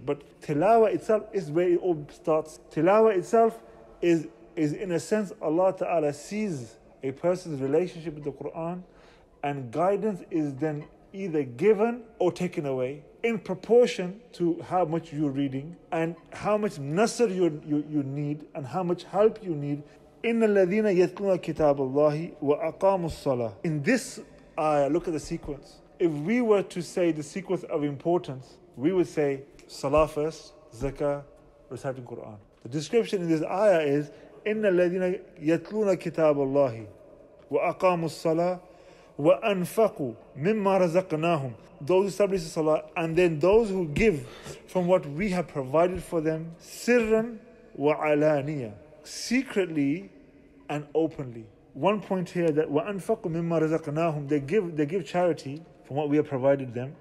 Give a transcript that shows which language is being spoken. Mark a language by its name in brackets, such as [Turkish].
[English] But tilawa itself is where it all starts. Tilawa itself is in a sense Allah Ta'ala sees a person's relationship with the Quran, and guidance is then either given or taken away in proportion to how much you're reading and how much nasr you need and how much help you need. [Arabic] إِنَّ الَّذِينَ يَتْلُونَ كِتَابَ اللَّهِ وَأَقَامُوا الصَّلَاةِ. [English] In this ayah, look at the sequence. If we were to say the sequence of importance, we would say salah first, zakah, reciting Quran. The description in this ayah is [Arabic] إِنَّ الَّذِينَ يَتْلُونَ كِتَابَ اللَّهِ وَأَقَامُوا الصَّلَاةِ وَأَنفَقُوا مِمَّا رَزَقْنَاهُمْ. [English] Those who establish the salah, and then those who give from what we have provided for them, [Arabic] سِرًّا وَعَلَانِيَةً, [English] secretly and openly. One point here, that [Arabic] وَأَنفَقُوا مِمَّا رَزَقْنَاهُمْ, [English] they give charity from what we have provided them.